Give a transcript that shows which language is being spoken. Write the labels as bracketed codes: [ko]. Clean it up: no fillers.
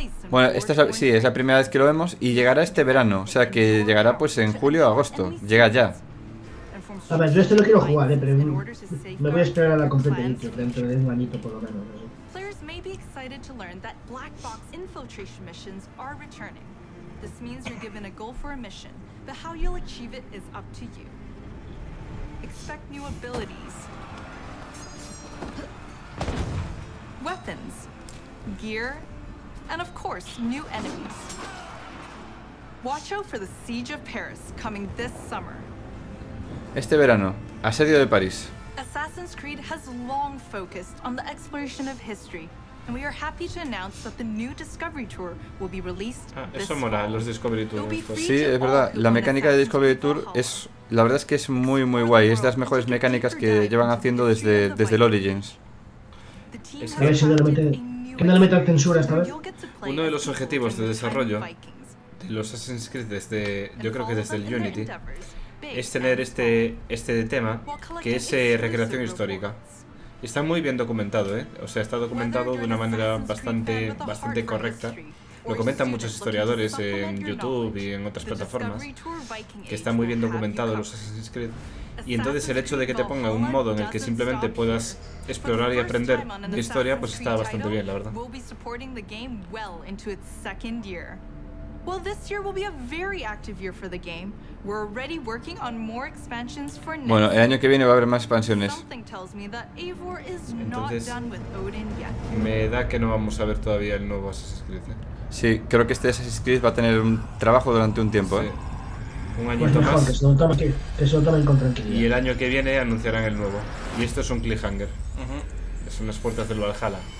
[es] Bueno, esta es es la primera vez que lo vemos y llegará este verano, o sea que llegará pues en julio o agosto, llega ya. A ver, yo este lo quiero jugar, pero me voy a esperar a la competencia dentro de un añito por lo menos. [en] Players may be excited to learn that black box. This means you're given a goal for a mission, but how you'll achieve it is up to you. Expect new abilities. Weapons, gear, and of course, new enemies. Watch out for the Siege of Paris coming this summer. [es] Este verano, asedio de París. [en] Assassin's Creed has long focused on the exploration of history. And we are happy to announce that the new Discovery Tour will be released. [es] Eso mola, los Discovery Tours. Sí, es verdad, la mecánica de Discovery Tour es, la verdad es que es muy muy guay, es de las mejores mecánicas que llevan haciendo desde el Origins. ¿Qué no le meten censura esta vez? Uno de los objetivos de desarrollo de los Assassin's Creed desde, yo creo que desde el Unity, es tener este tema que es recreación histórica. Está muy bien documentado, ¿eh? O sea, está documentado de una manera bastante, bastante correcta. Lo comentan muchos historiadores en YouTube y en otras plataformas, que está muy bien documentado los Assassin's Creed. Y entonces el hecho de que te ponga un modo en el que simplemente puedas explorar y aprender de historia, pues está bastante bien, la verdad. [en] Well, this year will be a very active year for the game. We're already working on more expansions for next. [es] Bueno, el año que viene va a haber más expansiones. [en] Something tells me that Eivor is not done with Odin yet. [es] Me da que no vamos a ver todavía el nuevo Assassin's Creed, ¿eh? Sí, creo que este Assassin's Creed va a tener un trabajo durante un tiempo, sí. Un añito pues mejor, más. Que se lo tomen con tranquilidad. Y el año que viene anunciarán el nuevo. Y esto es un cliffhanger. Uh-huh. Son las puertas del Valhalla.